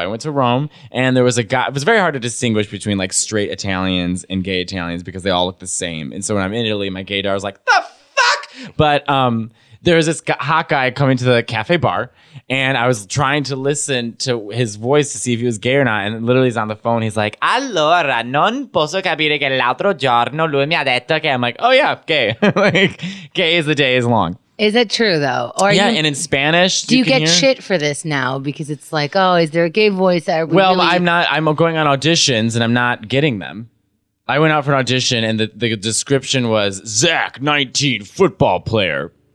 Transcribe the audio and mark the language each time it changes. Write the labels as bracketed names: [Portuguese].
[English] I went to Rome and there was a guy, it was very hard to distinguish between like straight Italians and gay Italians because they all look the same. And so when I'm in Italy, my gaydar is like, the fuck? But there's this hot guy coming to the cafe bar, and I was trying to listen to his voice to see if he was gay or not. And literally, he's on the phone. [Italian] He's like, "Allora, non posso capire che l'altro giorno lui mi ha detto che." [English] I'm like, "Oh yeah, gay. Like, gay as the day is long." Is it true though? Or yeah, you, and in Spanish, do you get hear? Shit for this now because it's like, oh, is there a gay voice? That we well, really- I'm not. I'm going on auditions, and I'm not getting them. I went out for an audition, and the description was Zach, 19, football player.